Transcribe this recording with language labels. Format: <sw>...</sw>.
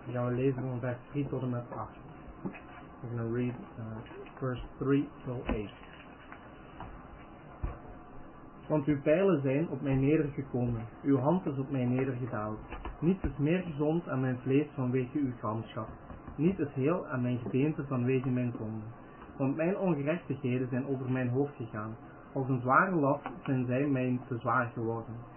<nl>Lezen van vers 3 tot en met 8.</nl> <en>We're going to read verse 3 till 8.</en> <nl>Want uw pijlen zijn op mij nedergekomen, uw hand is op mij nedergedaald. Niets is meer gezond aan mijn vlees vanwege uw gramschap. Niet is heel aan mijn gedeente vanwege mijn zonde. Want mijn ongerechtigheden zijn over mijn hoofd gegaan. Als een zware last zijn zij mij te zwaar geworden.</nl>